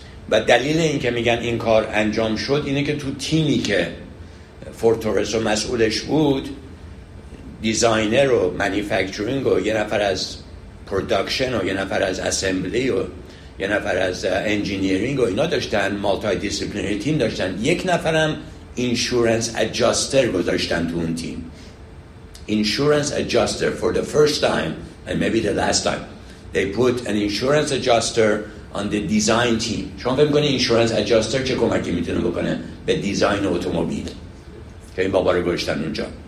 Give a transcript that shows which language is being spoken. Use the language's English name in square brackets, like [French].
[Persian] و دلیل این که میگن این کار انجام شد اینه که تو تیمی که فورد تورس و مسئولش بود، دیزاینر و مانیفکتورینگ و یه نفر از پروڈکشن و یه نفر از اسمبلی و یه نفر از انجینیرینگ و اینا داشتن، مالتای دیسپلینری تیم داشتن، یک نفرم اینشورنس اجاستر گذاشتن تو اون تیم. [English] Insurance adjuster for the first time and maybe the last time they put an insurance adjuster on the design team. [Persian] شما فهم کنید اینشورنس اجاستر چه کمکی میتونه بکنه به دیزاین اوتوموبیل که این بابا رو گوشتن اونجا.